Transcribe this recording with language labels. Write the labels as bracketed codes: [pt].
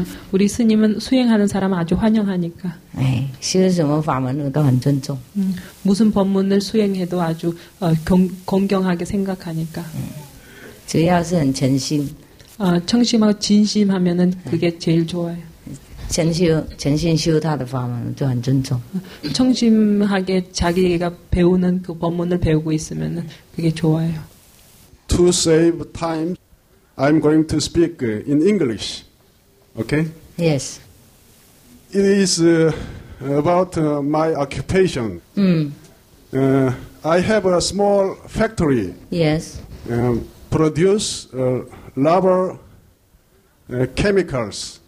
[ko] 우리 스님은 수행하는 사람 아주 환영하니까. [zh] 修什么法门都很尊重。 [ko] 무슨 법문을 수행해도 아주 공경하게 생각하니까. [zh] 只要是很诚心。 [ko] 청심하고 진심하면은 그게 제일 좋아요. [zh] 诚心修他的法门就很尊重。 [ko] 청심하게 자기가 배우는 그 법문을 배우고 있으면은 그게 좋아요. [en] To save time. I'm going to speak in English, okay? Yes. It is about my occupation. I have a small factory. Yes. Produce rubber chemicals.